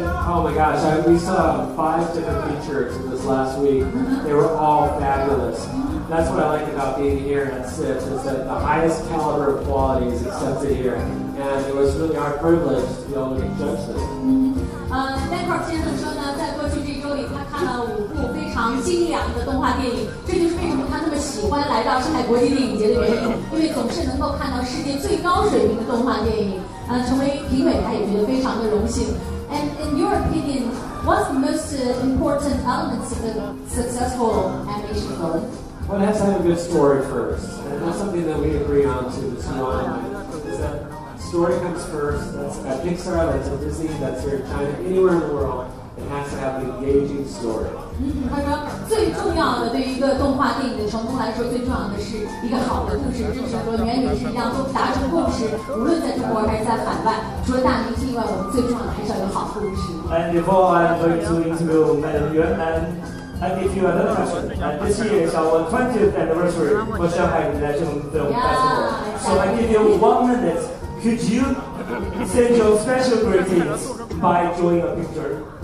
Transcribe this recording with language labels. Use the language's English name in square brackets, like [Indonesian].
[English] Oh my gosh, we saw 5 different features this last week. They were all fabulous. That's what I like about being here at SIFT, is that the highest caliber of quality is accepted here. And it was really our privilege to be able to judge this. [Chinese] Bancroft 先生说呢，在过去这周里，他看了5部非常精良的动画电影，这就是为什么他那么喜欢来到上海国际电影节的原因，因为总是能够看到世界最高水平的动画电影。成为评委他也觉得非常的荣幸。 [English] And in your opinion, what's the most important elements of a successful animation film? Well, it has to have a good story first. And that's something that we agree on to this morning, is that story comes first. That's at Pixar, that's at Disney, that's here in China, anywhere in the world, it has to have an engaging story. [Chinese] 他说最重要的对于一个动画电影的成功来说，最重要的是一个好的故事。就是说原来也是一样，都达成共识，无论在中国还是在海外，除了大明星以外，我们最重要的还是要有好故事。 [English] And before I'm going to interview Madam Yuan, and I give you another question. This year is our 20th anniversary for Shanghai International Film Festival. So I give you 1 minute. Could you send your special greetings by drawing a picture?